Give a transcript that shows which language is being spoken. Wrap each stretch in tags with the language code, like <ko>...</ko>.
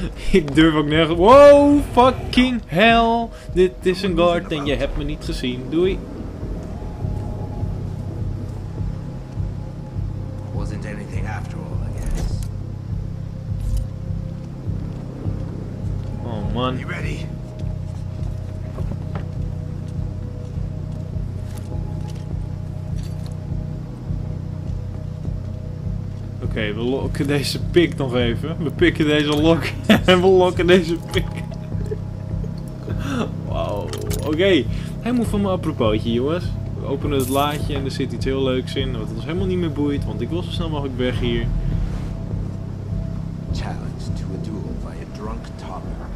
<nl>Ik durf ook nergens. Wow, fucking hell. Dit is een guard en je hebt me niet gezien. Doei.</nl> <en>Wasn't anything after all, I guess. Oh man. You ready?</en> <nl>Oké, we lokken deze pik nog even. We pikken deze lok en we lokken deze pik. Wauw, oké. Helemaal van mijn apropootje, jongens. We openen het laadje en er zit iets heel leuks in. Wat ons helemaal niet meer boeit, want ik wil zo snel mogelijk weg hier.</nl> <en>Challenge to a duel by a drunk topper.</en>